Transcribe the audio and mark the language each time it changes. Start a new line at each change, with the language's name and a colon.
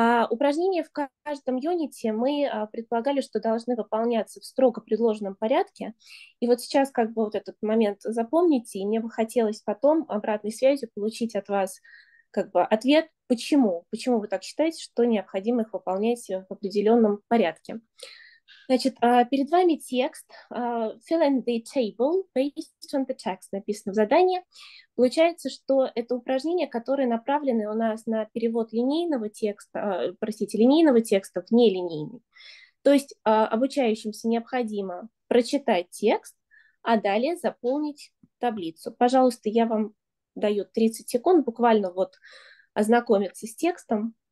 Russian: Упражнения в каждом юните мы предполагали, что должны выполняться в строго предложенном порядке. И вот сейчас как бы вот этот момент запомните, и мне бы хотелось потом обратной связью получить от вас как бы ответ, почему. Почему вы так считаете, что необходимо их выполнять в определенном порядке. Значит, перед вами текст
English: «Fill in the table based on the text»
Russian: написано в задании. Получается, что это упражнения, которые направлены у нас на перевод линейного текста, простите, линейного текста в нелинейный. То есть обучающимся необходимо прочитать текст, а далее заполнить таблицу. Пожалуйста, я вам даю 30 секунд буквально вот ознакомиться с текстом.